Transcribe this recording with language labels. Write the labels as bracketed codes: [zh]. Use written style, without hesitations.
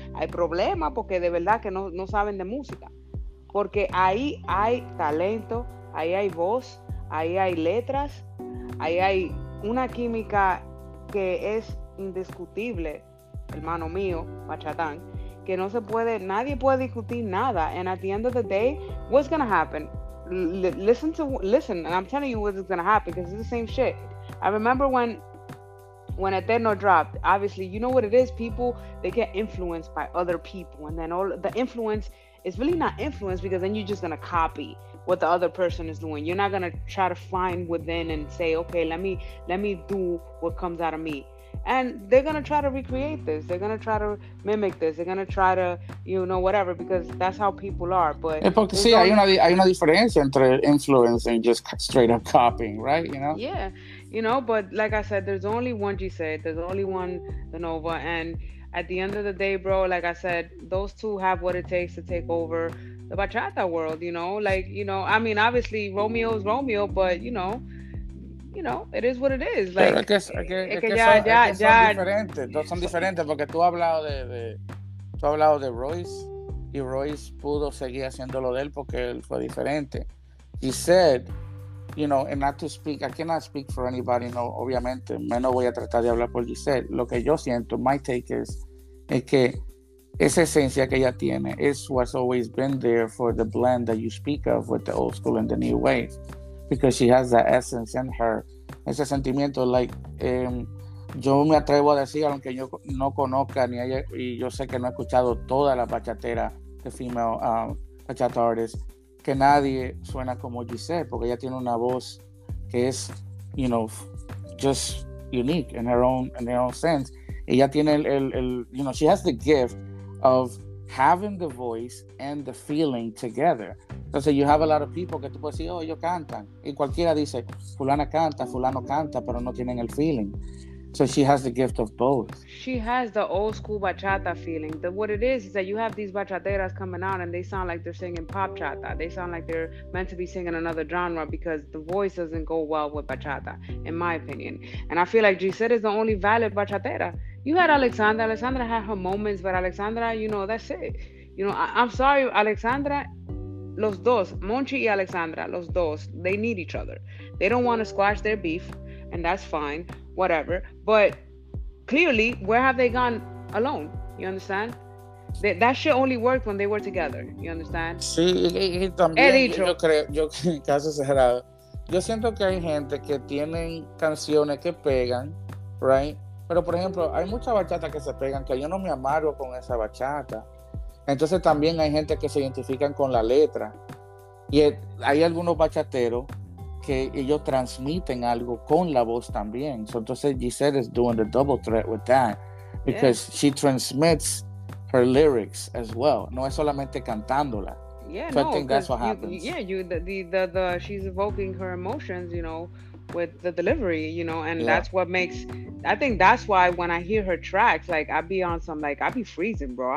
[es] Hay problema porque de verdad que no saben de música. Porque ahí hay talento, ahí hay voz, ahí hay letras, ahí hay una química que es indiscutible, hermano mío, bachatán, que no se puede, nadie puede discutir nada. [en] And at the end of the day, what's gonna happen? Listen, and I'm telling you what's gonna happen, because it's the same shit. I remember when Eterno dropped, obviously, you know what it is, people, they get influenced by other people, and then all the influence it's really not influence, because then you're just going to copy what the other person is doing. You're not going to try to find within and say, okay, let me do what comes out of me. And they're going to try to recreate this. They're going to try to mimic this. They're going to try to, you know, whatever, because that's how people are. But [es] Porque sí, hay una diferencia entre [en] influence and just straight up copying, right? You know? Yeah. You know, but like I said, there's only one Yised. There's only one the Nova. And at the end of the day, bro, like I said, those two have what it takes to take over the bachata world, you know? Like, you know, I mean, obviously, Romeo is Romeo, but, you know, you know, it is what it is. [es] Son diferentes, porque tú has hablado de Royce, y Royce pudo seguir haciendo lo de él porque él fue diferente. [en] He said, you know, and not to speak, I cannot speak for anybody, no, [es] obviamente, menos voy a tratar de hablar por Giselle. Lo que yo siento, [en] my take is [es] que esa esencia que ella tiene [en] is what's always been there for the blend that you speak of with the old school and the new way. Because she has that essence in her, [es] ese sentimiento, [en] like, [es] yo me atrevo a decir, aunque yo no conozca ni ella, y yo sé que no he escuchado toda la bachatera de [en] female bachata artist, [es] que nadie suena como Giselle, porque ella tiene una voz que es, [en] you know, just unique in her own sense. [es] Ella tiene el, [en] you know, she has the gift of having the voice and the feeling together. [es] Entonces, [en] you have a lot of people [es] que tú puedes decir, oh, ellos cantan. Y cualquiera dice, fulana canta, fulano canta, pero no tienen el feeling. [en] So she has the gift of both. She has the old school bachata feeling. The, what it is that you have these bachateras coming out and they sound like they're singing pop chata. They sound like they're meant to be singing another genre because the voice doesn't go well with bachata, in my opinion. And I feel like Giselle is the only valid bachatera. You had Alexandra. Alexandra had her moments, but Alexandra, you know, that's it. You know, I'm sorry, Alexandra... [es] Los dos, Monchi y Alexandra, los dos, [en] they need each other. They don't want to squash their beef, and that's fine, whatever. But clearly, where have they gone alone? You understand? That shit only worked when they were together. You understand? [es] Sí, y también, yo creo, yo caso cerrado. Yo siento que hay gente que tienen canciones que pegan, right? Pero, por ejemplo, hay muchas bachatas que se pegan que yo no me amargo con esa bachata. Entonces también hay gente que se identifican con la letra. Y hay algunos bachateros que ellos transmiten algo con la voz también. [en] So, [es] entonces [en] Giselle is doing the double threat with that. Because yeah. She transmits her lyrics as well. [es] No es solamente cantándola. [en] Yeah, so no, I think that's what happens. She's evoking her emotions, you know, with the delivery, you know, and yeah. That's what makes, I think that's why when I hear her tracks, like, I'd be on some, like, I'd be freezing, bro.